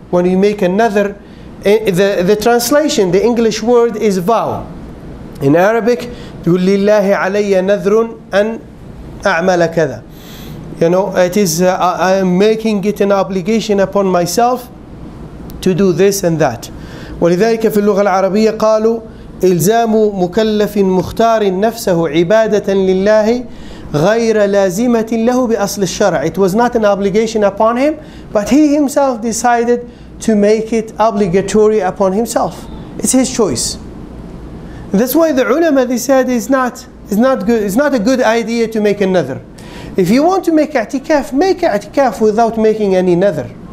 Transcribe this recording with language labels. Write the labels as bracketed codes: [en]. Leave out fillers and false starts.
[en] When you make another, the translation, the English word is vow. In Arabic, [ar] lillahi alayya nadhrun an a'mala kada. [en] You know, it is, I am making it an obligation upon myself to do this and that. [ar] ولذلك في اللغة العربية قالوا إلزام مكلف مختار نفسه عبادة لله غير لازمة له بأصل الشرع. [en] It was not an obligation upon him, but he himself decided to make it obligatory upon himself. It's his choice. And that's why the ulama, they said, it's not good. It's not a good idea to make a nadhr. If you want to make i'tikaf without making any nadhr.